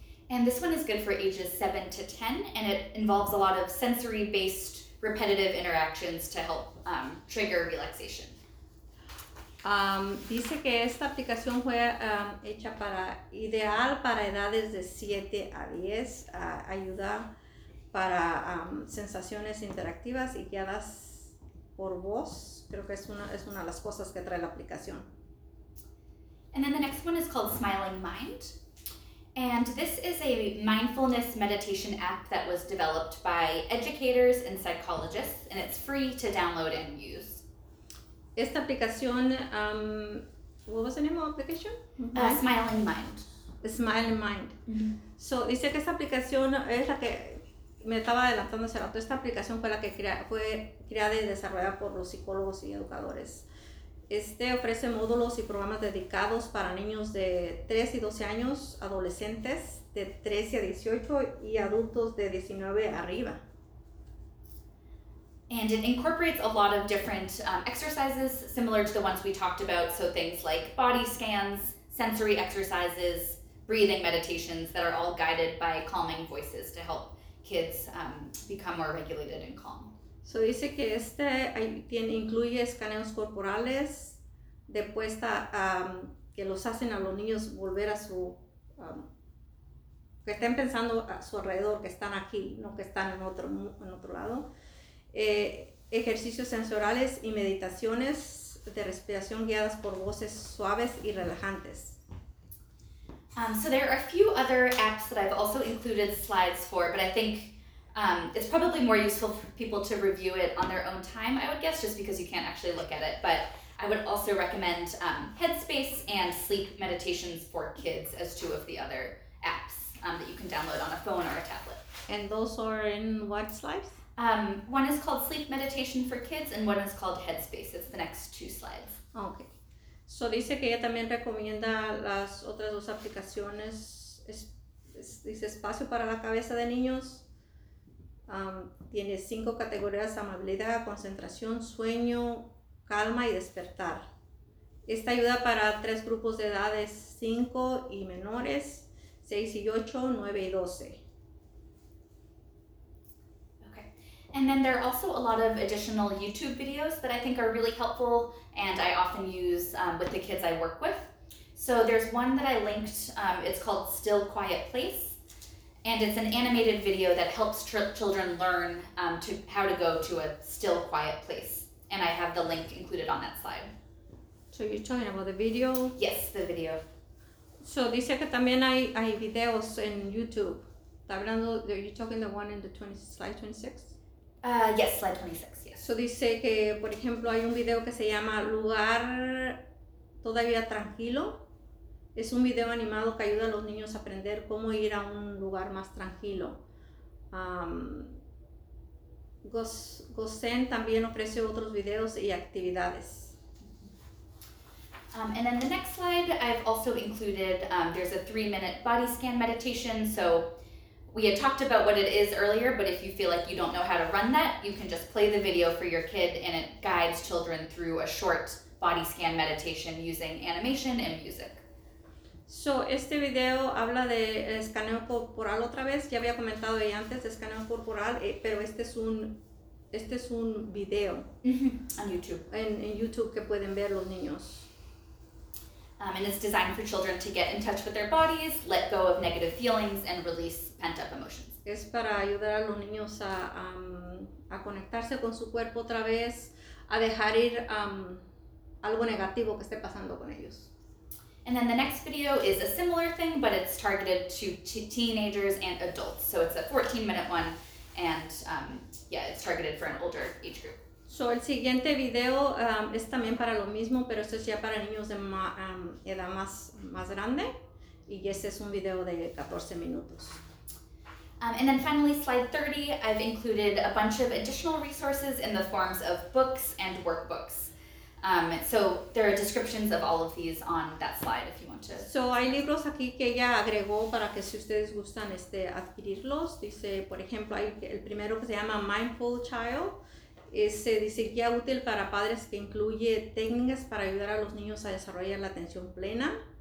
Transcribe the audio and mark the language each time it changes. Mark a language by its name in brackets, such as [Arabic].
[English] And this one is good for ages 7 to 10, and it involves a lot of sensory-based repetitive interactions to help trigger relaxation. [Spanish] Dice que esta aplicación fue hecha para ideal para edades de 7 a 10, ayuda para sensaciones interactivas y guiadas por voz. Creo que es una de las cosas que trae la aplicación. [English] And then the next one is called Smiling Mind. And this is a mindfulness meditation app that was developed by educators and psychologists, and it's free to download and use. [Spanish] Esta aplicación, [English] what was the name of the application? Smiling Mind. Smiling Mind. Mm-hmm. [Spanish] So, dice que esta aplicación es la que me estaba adelantando hace rato. Esta aplicación fue la que fue creada y desarrollada por los psicólogos y educadores. Este ofrece módulos y programas dedicados para niños de 3 y 12 años, adolescentes de 13 a 18 y adultos de 19 arriba. [English] And it incorporates a lot of different exercises similar to the ones we talked about, so things like body scans, sensory exercises, breathing meditations that are all guided by calming voices to help kids become more regulated and calm. [Spanish] So dice que este incluye escaneos corporales de puesta que los hacen a los niños volver a su, que estén pensando a su alrededor, que están aquí, no que están en otro lado. Ejercicios sensoriales y meditaciones de respiración guiadas por voces suaves y relajantes. [English] So there are a few other apps that I've also included slides for, but I think it's probably more useful for people to review it on their own time, I would guess, just because you can't actually look at it. But I would also recommend Headspace and Sleep Meditations for Kids as two of the other apps that you can download on a phone or a tablet. And those are in what slides? One is called Sleep Meditation for Kids and one is called Headspace. It's the next two slides. Okay. [Spanish] So dice que ella también recomienda las otras dos aplicaciones. Dice Espacio para la Cabeza de Niños. Tiene 5 categorías: amabilidad, concentración, sueño, calma y despertar. Esta ayuda para 3 grupos de edades: 5 y menores, 6 y 8, 9 y 12. [English] Okay. And then there are also a lot of additional YouTube videos that I think are really helpful and I often use with the kids I work with. So there's one that I linked, it's called Still Quiet Place. And it's an animated video that helps children learn how to go to a still, quiet place. And I have the link included on that slide. So you're talking about the video? Yes, the video. [Spanish] So dice que también hay videos en YouTube. [English] Are you talking the one in the slide 26? Yes, slide 26, yes. [Spanish] So dice que, por ejemplo, hay un video que se llama Lugar Todavía Tranquilo. Es un video animado que ayuda a los niños a aprender cómo ir a un lugar más tranquilo. Gosen también ofrece otros videos y actividades. [English] And then the next slide, I've also included, there's a 3-minute body scan meditation. So we had talked about what it is earlier, but if you feel like you don't know how to run that, you can just play the video for your kid, and it guides children through a short body scan meditation using animation and music. [Spanish] So, este video habla de escaneo corporal otra vez. Ya había comentado ahí antes de escaneo corporal, pero este es un video. [English] On YouTube. [Spanish] En YouTube que pueden ver los niños. [English] And it's designed for children to get in touch with their bodies, let go of negative feelings, and release pent-up emotions. [Spanish] Es para ayudar a los niños a conectarse con su cuerpo otra vez, a dejar ir algo negativo que esté pasando con ellos. [English] And then the next video is a similar thing, but it's targeted to teenagers and adults. So it's a 14-minute one, and it's targeted for an older age group. [Spanish] So el siguiente video es también para lo mismo, pero esto es ya para niños de edad más grande, y este es un video de 14 minutos. [English] And then finally, slide 30, I've included a bunch of additional resources in the forms of books and workbooks. So there are descriptions of all of these on that slide if you want to. [Spanish] So hay libros aquí que ella agregó para que si ustedes gustan adquirirlos. Dice, por ejemplo, hay el primero que se llama Mindful Child. Ese dice guía útil para padres que incluye técnicas para ayudar a los niños a desarrollar la atención plena.